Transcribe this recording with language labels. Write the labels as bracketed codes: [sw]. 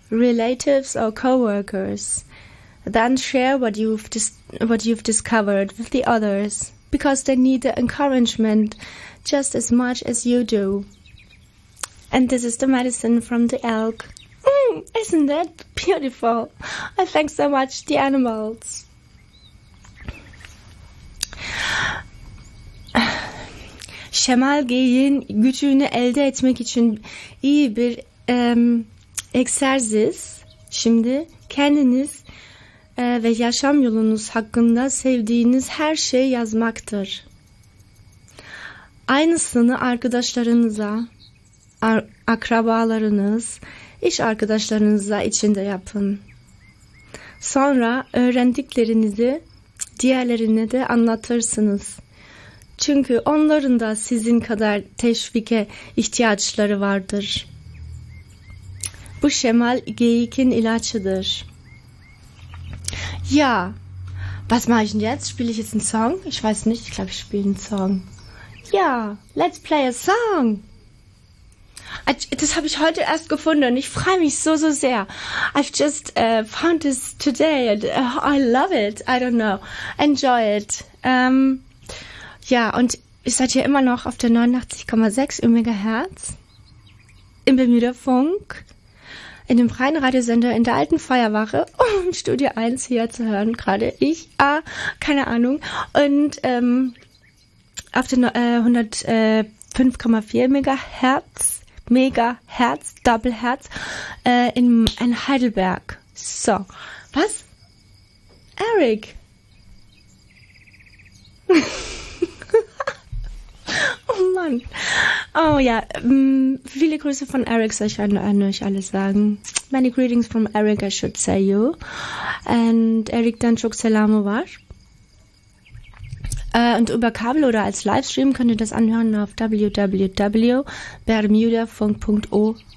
[en] relatives or co-workers. Then share what you've discovered with the others, because they need the encouragement just as much as you do. And this is the medicine from the elk. Isn't that beautiful? I thank so much the animals. [tr] Şemal Gey'in gücünü elde etmek için iyi bir egzersiz. Şimdi kendiniz ve yaşam yolunuz hakkında sevdiğiniz her şeyi yazmaktır. Aynısını arkadaşlarınıza, akrabalarınız, iş arkadaşlarınıza içinde yapın. Sonra öğrendiklerinizi diğerlerine de anlatırsınız. Çünkü onların da sizin kadar teşvike ihtiyaçları vardır. Bu Şemal Geyik'in ilacıdır. [de] Ja, was mache ich denn jetzt? Spiele ich jetzt einen Song? Ich weiß nicht, ich glaube, ich spiele einen Song. Ja, [en] let's play a song. [de] Das habe ich heute erst gefunden. Ich freue mich so, so sehr. [en] I've just found this today. And, I love it. I don't know. Enjoy it. [de] Ja, und ihr seid hier immer noch auf der 89,6 im Megahertz. Im Bermuda Funk. In dem freien Radiosender in der alten Feuerwache, um Studio 1 hier zu hören, gerade ich, keine Ahnung, und auf den 105,4 Megahertz, Double Hertz, in Heidelberg. So, was? Eric? Oh Mann. Oh ja, viele Grüße von Eric, soll ich an euch alle sagen. [en] Many greetings from Eric, I should say you. [tr] And Eric, dann çok selamı var. [de] Und über Kabel oder als Livestream könnt ihr das anhören auf www.bermudafunk.org.